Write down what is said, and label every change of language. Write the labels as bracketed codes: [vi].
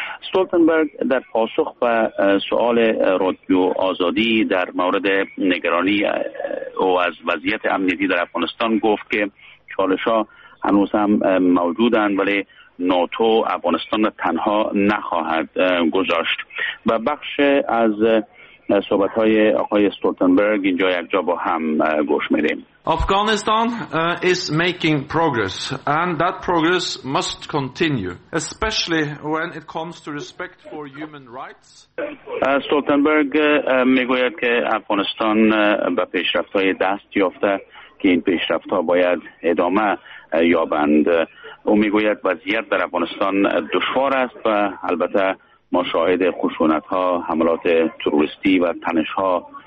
[fa] استولتنبرگ در پاسخ به سؤال رادیو آزادی در مورد نگرانی او از وضعیت امنیتی در افغانستان گفت که چالش‌ها هنوز هم موجودند ولی ناتو افغانستان را تنها نخواهد گذاشت. و بخش از صحبت های آقای استولتنبرگ اینجا یک جا با هم گوش میدیم. [en] Afghanistan is making progress and that progress must continue, especially when it comes to respect for human rights. [fa] استولتنبرگ میگوید که افغانستان به پیشرفت های دست یافته که این پیشرفت ها باید ادامه یابند. او میگوید وضعیت در افغانستان دشوار است و البته ما شاهد خشونت ها، حملات تروریستی و تنش ها